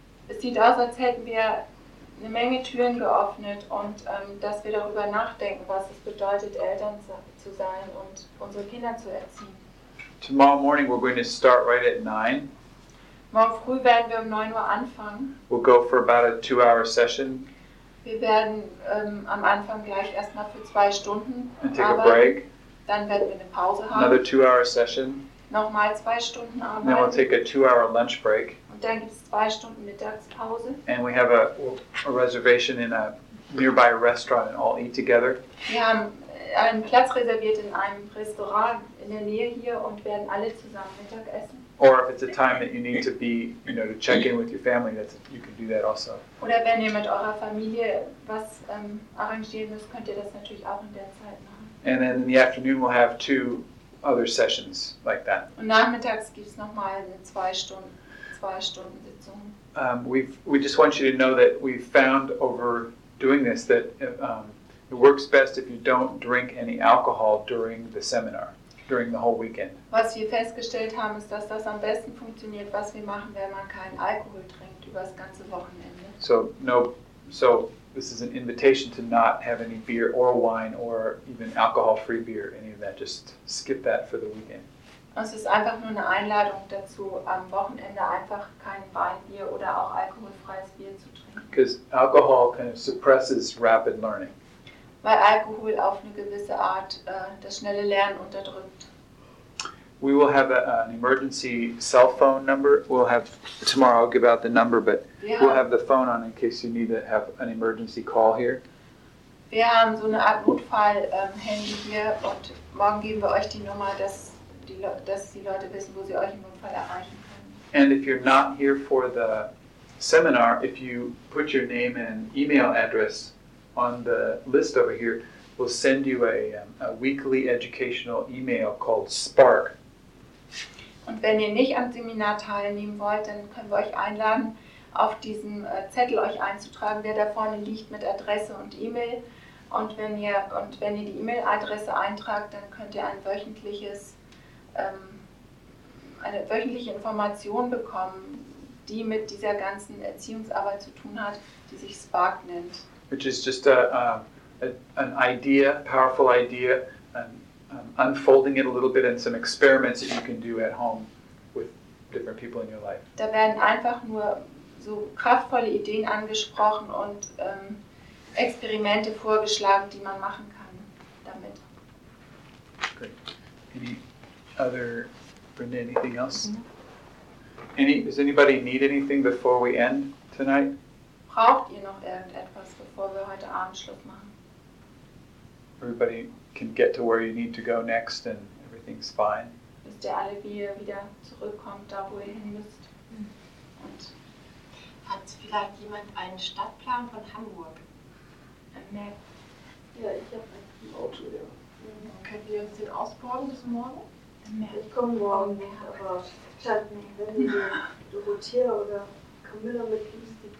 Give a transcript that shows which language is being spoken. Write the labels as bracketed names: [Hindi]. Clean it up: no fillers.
[German] Es sieht aus, als hätten wir eine Menge Türen geöffnet und dass wir darüber nachdenken, was es bedeutet, Eltern zu sein und unsere Kinder zu erziehen. [English] Tomorrow morning we're going to start right at 9. [German] Morgen früh werden wir um 9 Uhr anfangen. [English] We'll go for about a 2-hour session. [German] Wir werden am Anfang gleich erstmal für 2 Stunden arbeiten. [English] And take a break. [German] Dann werden wir eine Pause haben. [English] Another 2-hour session. [German] Nochmal 2 Stunden arbeiten. [English] Then we'll take a 2-hour lunch break. [German] Und dann gibt es 2 Stunden Mittagspause. [English] And we have a reservation in a nearby restaurant and all eat together. [German] Wir haben einen Platz reserviert in einem Restaurant in der Nähe hier und werden alle zusammen Mittag essen. [English] Or if it's a time that you need to be, you know, to check in with your family, you can do that also. [German] Oder wenn ihr mit eurer Familie was arrangieren müsst, könnt ihr das natürlich auch in der Zeit machen. [English] And then in the afternoon we'll have 2 other sessions like that. [German] Und nachmittags gibt's nochmal eine 2 Stunden Sitzung. [English] We just want you to know that we've found over doing this that it works best if you don't drink any alcohol during the seminar. During the whole weekend. [German] Was wir festgestellt haben, ist, dass das am besten funktioniert, was wir machen, wenn man keinen Alkohol trinkt über das ganze Wochenende. [English] So this is an invitation to not have any beer or wine or even alcohol-free beer, any of that. Just skip that for the weekend. [German] Es ist einfach nur eine Einladung dazu, am Wochenende einfach kein Wein, Bier oder auch alkoholfreies Bier zu trinken. [English] Because alcohol kind of suppresses rapid learning. [German] Weil Alkohol auf eine gewisse Art das schnelle Lernen unterdrückt. [English] We will have an emergency cell phone number. We'll have tomorrow. I'll give out the number, but we'll have the phone on in case you need to have an emergency call here. [German] Wir haben so eine Art Notfall-Handy hier und morgen geben wir euch die Nummer, dass die Leute wissen, wo sie euch im Notfall erreichen können. [English] And if you're not here for the seminar, if you put your name and email address on the list over here, we'll send you a weekly educational email called Spark. [German] Und wenn ihr nicht am Seminar teilnehmen wollt, dann können wir euch einladen, auf diesem Zettel euch einzutragen, der da vorne liegt mit Adresse und E-Mail. Und wenn ihr die E-Mail-Adresse eintragt, dann könnt ihr eine wöchentliche Information bekommen, die mit dieser ganzen Erziehungsarbeit zu tun hat, die sich Spark nennt. [English] Which is just an idea, powerful idea, and unfolding it a little bit, and some experiments that you can do at home with different people in your life. [German] Da werden einfach nur so kraftvolle Ideen angesprochen und Experimente vorgeschlagen, die man machen kann damit. [English] Great. Any other, Brenda, anything else? Mm-hmm. Does anybody need anything before we end tonight? [German] Braucht ihr noch irgendetwas, bevor wir heute Abend Schluss machen? [English] Everybody can get to where you need to go next and everything's fine. [German] Wisst ihr alle, wie ihr wieder zurückkommt, da wo ihr hin müsst? Und hat vielleicht jemand einen Stadtplan von Hamburg? [English] Map. [German] Ja, ich habe ein Auto, ja. Könnt ihr uns den ausborgen bis morgen? Ich komme morgen, aber statt wenn du Dorothea oder Camilla mitliest.